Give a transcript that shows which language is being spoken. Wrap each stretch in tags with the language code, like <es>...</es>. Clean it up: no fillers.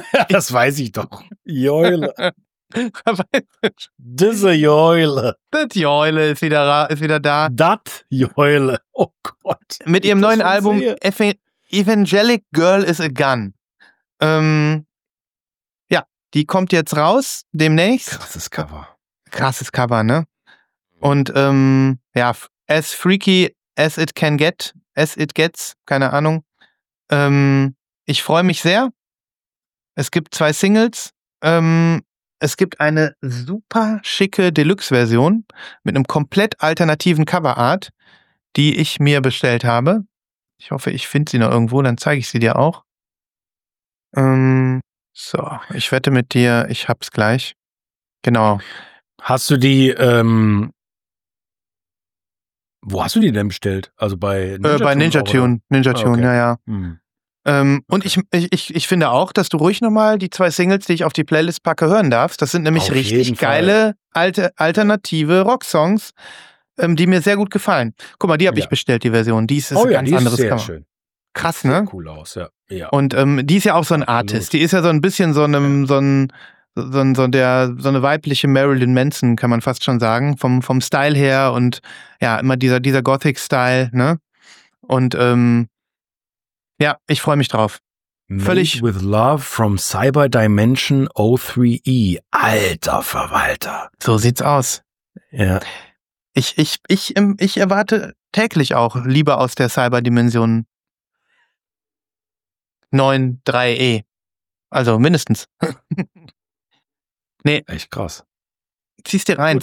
<de>Das weiß ich doch. Jeule. Diese Jeule. Das Jeule ist wieder da. Das Jeule. Oh Gott. Mit ihrem neuen Album Evangelic Girl is a Gun. Ja, die kommt jetzt raus demnächst. Krasses Cover. Krasses Cover, ne? Und ja,</de> <en>as freaky as it can get, as it gets,</en> <de>keine Ahnung. Ich freue mich sehr. Es gibt 2 Singles. Es gibt eine super schicke Deluxe-Version mit einem komplett alternativen Coverart, die ich mir bestellt habe. Ich hoffe, ich finde sie noch irgendwo, dann zeige ich sie dir auch. So, ich wette mit dir, ich hab's gleich. Genau. Hast du die, wo hast du die denn bestellt? Also bei Ninja Tune? Bei Ninja Tune, Ninja Tune. Okay. Und ich finde auch, dass du ruhig nochmal die 2 Singles, die ich auf die Playlist packe, hören darfst. Das sind nämlich auf richtig geile alternative Rocksongs, die mir sehr gut gefallen. Guck mal, die habe ich bestellt, die Version. Die ist ein ganz anderes Cover. Schön. Krass, sieht ne? Sieht cool aus, ja. Und die ist ja auch so ein Artist. Absolut. Die ist ja so ein bisschen so eine weibliche Marilyn Manson, kann man fast schon sagen, vom Style her und ja, immer dieser Gothic-Style, ne? Und ja, ich freue mich drauf. Völlig.</de> <en>Made with love from Cyber Dimension 03E.</en> <de>Alter Verwalter. So sieht's aus. Ja. Ich erwarte täglich auch Liebe aus der Cyber Dimension 93E. Also mindestens. Nee. Echt krass. Zieh's dir rein. Gut.</de>